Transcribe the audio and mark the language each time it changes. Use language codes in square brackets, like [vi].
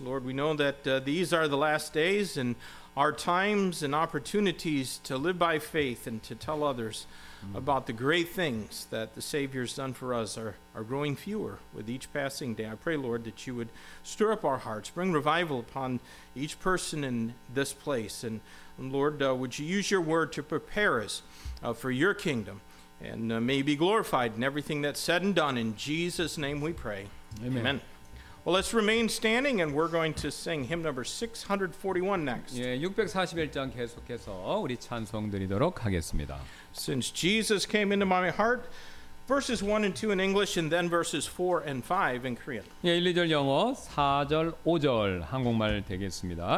[en] Lord, we know that these are the last days and our times and opportunities to live by faith and to tell others about the great things that the Savior's done for us are growing fewer with each passing day. I pray, Lord, that you would stir up our hearts, bring revival upon each person in this place. And Lord, would you use your word to prepare us for your kingdom and may be glorified in everything that's said and done. In Jesus' name we pray. Amen. Amen. Well, let's remain standing and we're going to sing hymn number 641 next. [ko] 예, 641장 계속해서 우리 찬송 드리도록 하겠습니다. [en] Since Jesus came into my heart, verses 1 and 2 in English and then verses 4 and 5 in Korean. [ko] 예, 1, 2절 영어, 4절, 5절 한국말 되겠습니다.